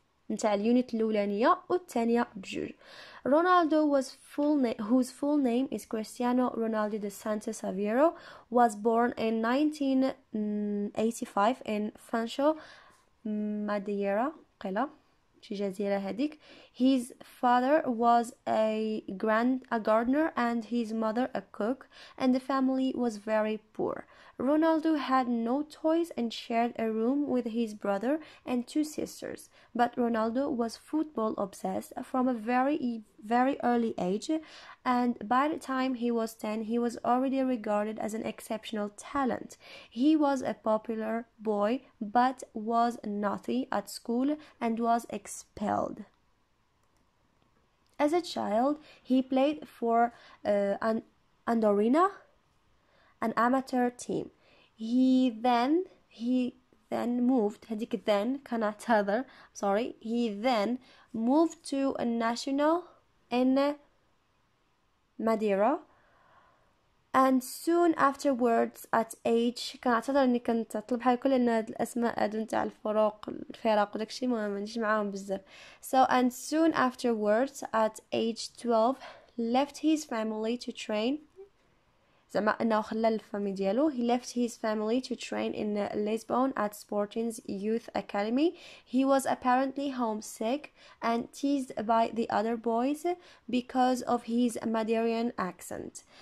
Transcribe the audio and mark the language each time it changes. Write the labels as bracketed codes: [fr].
[ar] نتاع اليونيت الاولانيه والثانيه بجوج. [en] رونالدو was full name whose full name is كريستيانو رونالدو دي سانتا سافيرو was born in 1985 in فانشو ماديرا [ar] قلا شي جزيره هذيك. [en] His father was a gardener and his mother a cook and the family was very poor. Ronaldo had no toys and shared a room with his brother and two sisters. But Ronaldo was football obsessed from a very, very early age, and by the time he was 10, he was already regarded as an exceptional talent. He was a popular boy, but was naughty at school and was expelled. As a child, he played for Andorina, an amateur team. He then moved. [ar] هديك then كان اعتذر. [en] Sorry. He then moved to a national in Madeira, and soon afterwards, at age [ar] كان اعتذر إني كنت أطلب حاجة كل إنه الأسماء أدون تاع الفرق الفرق وداك الشيء ما عنديش معاهم بزاف. [en] So and soon afterwards, at age 12, left his family to train. [ar] زعما انه خلى الفامي ديالو. [en] He left his family to train in Lisbon at Sporting's youth academy. He was apparently homesick and teased by the other boys because of his Madeirian accent.